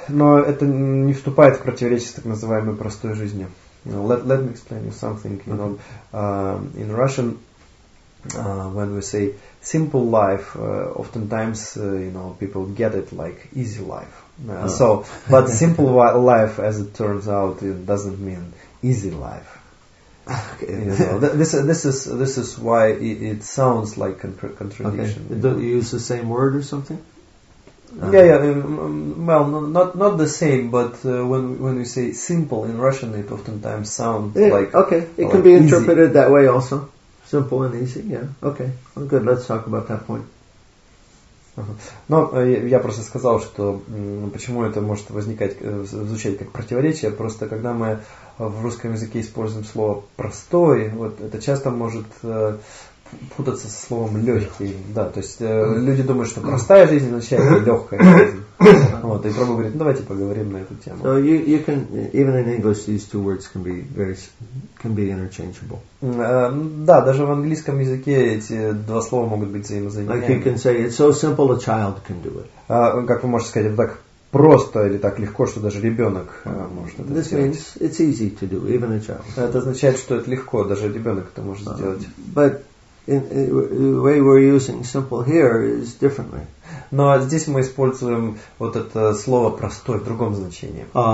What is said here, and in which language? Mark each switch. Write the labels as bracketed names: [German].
[Russian] Но это не вступает в противоречие с так называемой простой жизнью. [English] Let me explain you something. You know, in Russian, when we say simple life, oftentimes people get it like easy life. But simple life, as it turns out, it doesn't mean easy life. Okay. This is why it sounds like contradiction. Okay. Don't you use the same word or something? Well, not the same, but when we say simple in Russian, it oftentimes sounds can be interpreted easy. That way also. Simple and easy, yeah. Okay, well, good, let's talk about that point. [Russian] Но я просто сказал, что почему это может звучать как противоречие, просто когда мы в русском языке используем слово «простой», вот это часто может путаться со словом легкий. Да, то есть люди думают, что простая жизнь означает легкая жизнь. Вот, и пробу говорит, ну, давайте поговорим на эту тему. [English] So you can, even in English these two words can be very, can be interchangeable. [Russian] Да, даже в английском языке эти два слова могут быть взаимозаменяемы. [English] Like you can say it's so simple a child can do it. [Russian] Как вы можете сказать, это так просто или так легко, что даже ребенок может это [English] This [Russian] сделать. [English] Means it's easy to do, even a child. [Russian] Это означает, что это легко, даже ребенок это может сделать. [English] But the way we're using simple here is differently. [Russian] Но здесь мы используем вот это слово простой в другом значении.